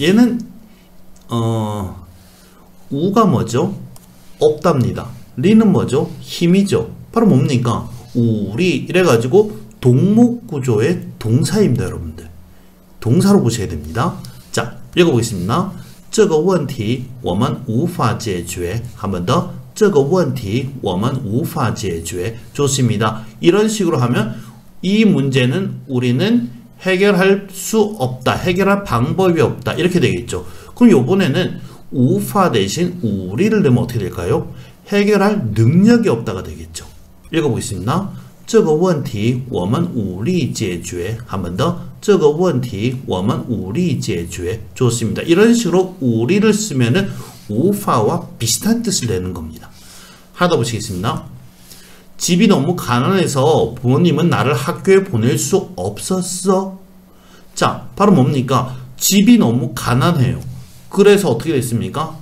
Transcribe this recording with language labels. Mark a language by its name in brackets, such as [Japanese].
[Korean] 얘는 우가 뭐죠? 없답니다. 리는 뭐죠? 힘이죠. 바로 뭡니까? 우리 이래가지고 동목구조의 동사입니다, 여러분들. 동사로 보셔야 됩니다. 읽어보겠습니다. [Chinese] 这个问题我们无法解决. [Korean] 한 번 더. [Chinese] 这个问题我们无法解决. [Korean] 좋습니다. 이런 식으로 하면 이 문제는 우리는 해결할 수 없다. 해결할 방법이 없다. 이렇게 되겠죠. 그럼 이번에는 우파 대신 우리를 넣으면 어떻게 될까요? 해결할 능력이 없다가 되겠죠. 읽어보겠습니다. [Chinese] 这个问题我们无力解决. [Korean] 한 번 더. [Chinese] 这个问题我们无力解决. [Korean] 좋습니다. 이런 식으로 우리를 쓰면은 우파와 비슷한 뜻을 내는 겁니다. 하나 더 보시겠습니다. 집이 너무 가난해서 부모님은 나를 학교에 보낼 수 없었어. 자, 바로 뭡니까? 집이 너무 가난해요. 그래서 어떻게 됐습니까?